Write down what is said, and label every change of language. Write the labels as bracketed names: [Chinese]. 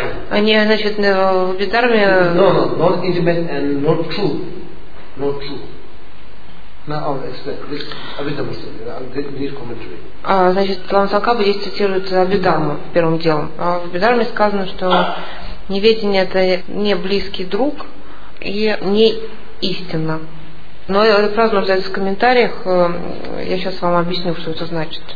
[Russian] Они, значит, в Абхидхарме... [English] No, not intimate and not true. Not true. Now, I'll explain. This Abhidhamma is this commentary. [Russian] Значит, Лама Сангхапа здесь цитирует Абхидхарму первым делом. А в Абхидхарме сказано, что неведение – это не близкий друг и не истина. Но эту фразу нужно взять в комментариях. Я сейчас вам объясню, что это значит.